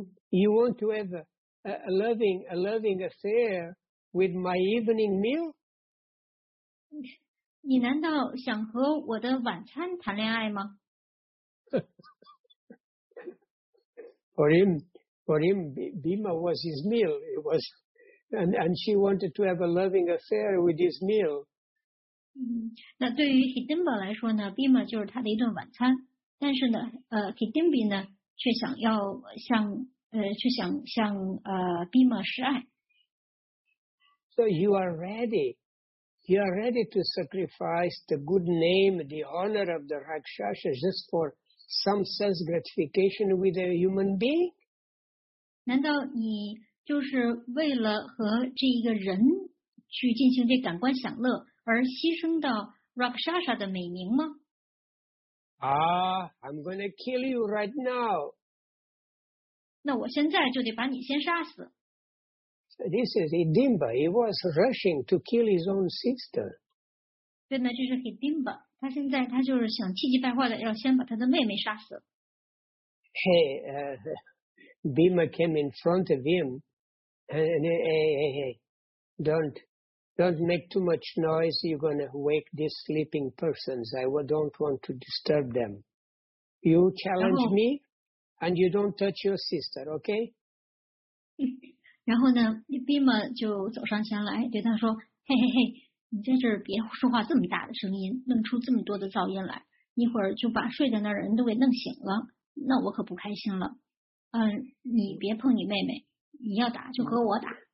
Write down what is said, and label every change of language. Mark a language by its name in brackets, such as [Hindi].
[English] You want to have a loving affair with my evening meal? [Chinese] 你难道想和我的晚餐谈恋爱吗？ [English] For him, Bhima was his meal. It was, and she wanted to have a loving affair with his meal. [Chinese] 那对于 Hidimba 来说呢， Bhima 就是他的一顿晚餐，但是呢， Hidimbi 呢却想要向却想向Bhima 示爱。 [English] So you are ready. You are ready to sacrifice the good name, the honor of the Rakshasa just for some sense gratification with a human being? [Chinese] 难道你就是为了和这一个人去进行这感官享乐而牺牲到 Rakshasa 的美名吗？ [English] Ah, I'm going to kill you right now. [Chinese] 那我现在就得把你先杀死。 [English] This is Hidimba. He was rushing to kill his own sister. [Chinese] 对，那就是 Hidimba. 他现在他就是想气急败坏的要先把他的妹妹杀死。 [English] Hey, Bhima came in front of him. Hey, don't make too much noise. You're going to wake these sleeping persons. I don't want to disturb them. You challenge me, and you don't touch your sister, okay? [Chinese] 然后呢 ，Bhima 就走上前来，对他说：“嘿嘿嘿，你在这儿别说话这么大的声音，弄出这么多的噪音来，一会儿就把睡在那儿人都给弄醒了，那我可不开心了。你别碰你妹妹，你要打就和我打。